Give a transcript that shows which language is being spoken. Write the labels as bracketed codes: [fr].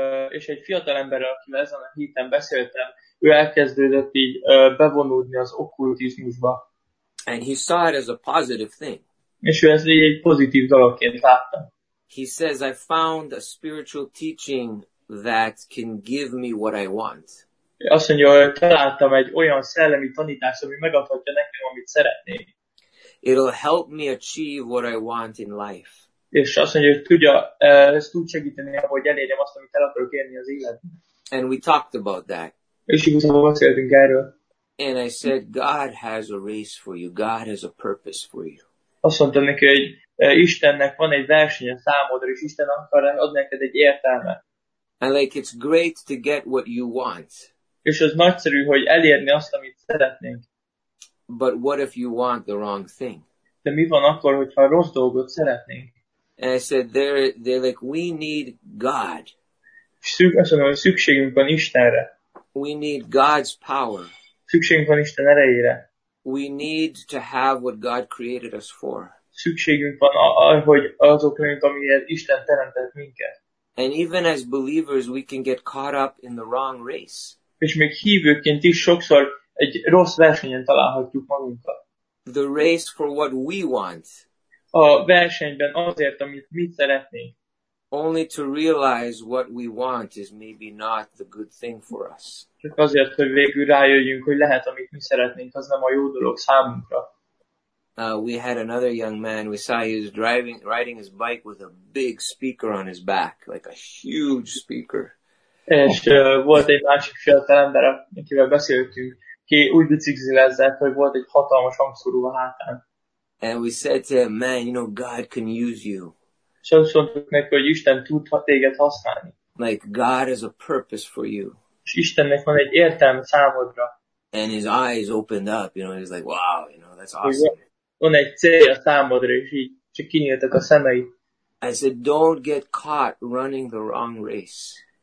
[hu] És egy fiatal ember, akivel ezen a héten beszéltem, ő elkezdődött így bevonódni az okkultizmusba. [en] And he saw it as a positive thing. [hu] És ő ezt egy pozitív dologként látta. [en] He says, I found a spiritual teaching that can give me what I want. [hu] Azt mondja, hogy találtam egy olyan szellemi tanítást, ami megadhatja nekem, amit szeretnék. [en] It'll help me achieve what I want in life. [hu] És azt mondja, hogy ez tud segíteni, hogy elérjem azt, amit el akarok érni az életben. [en] And we talked about that. [hu] És igazából beszéltünk erről. [en] And I said, God has a race for you. God has a purpose for you. [hu] Azt mondta neki, hogy Istennek van egy versenye számodra, és Isten akar adni neked egy értelmet. [en] And like, it's great to get what you want. [hu] És az nagyszerű, hogy elérni azt, amit szeretnénk. [en] But what if you want the wrong thing? [hu] De mi van akkor, hogyha rossz dolgot szeretnénk? [en] And I said, they're like, we need God. [hu] Azt mondom, hogy szükségünk van Istenre. [en] We need God's power. [hu] Szükségünk van Isten erejére. [en] We need to have what God created us for. [hu] Szükségünk van hogy azok legyünk, amiért Isten teremtett minket. [en] And even as believers, we can get caught up in the wrong race. [hu] És még hívőként is sokszor egy rossz versenyen találhatjuk magunkat. [en] The race for what we want. [hu] A versenyben azért, amit mi szeretnénk. [en] Only to realize what we want is maybe not the good thing for us. [hu] Csak azért, hogy végül rájöjjünk, hogy lehet, amit mi szeretnénk, az nem a jó dolog számunkra. [en] We had another young man. We saw he was riding his bike with a big speaker on his back, like a huge speaker. [hu] És volt egy másik fiatal ember, akivel beszéltünk, ki úgy biciklizett, hogy volt egy hatalmas hangszóró a hátán. [en] And we said to him, man, you know, God can use you. [hu] És azt mondtuk neki, hogy Isten tud téged használni. [en] Like, God has a purpose for you. [hu] És Istennek van egy értelme számodra. [en] And his eyes opened up, you know, he's like, wow, you know, that's awesome. [hu] Van egy célja számodra, és így csak kinyíltak a szemei. [en] I said, don't get caught running the wrong race.